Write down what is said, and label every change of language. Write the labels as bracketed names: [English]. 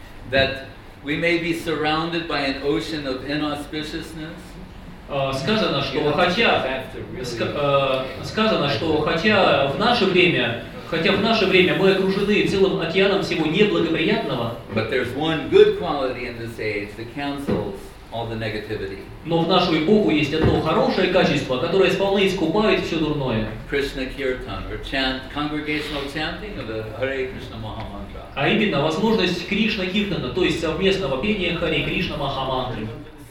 [English] That we may be surrounded by an ocean of inauspiciousness. [Russian] Сказано, что хотя в наше время, мы окружены целым океаном всего неблагоприятного. [English] But there's one good quality in this age that cancels all the negativity. [Russian] Но в нашу эпоху есть одно хорошее качество, которое сполна искупает все дурное. [English] Krishna Kirtan, or chant, congregational chanting of the Hare Krishna Maha Mantra. [Russian] А именно возможность Кришна Киртана, то есть совместного пения Хари Кришна Маха Мантры.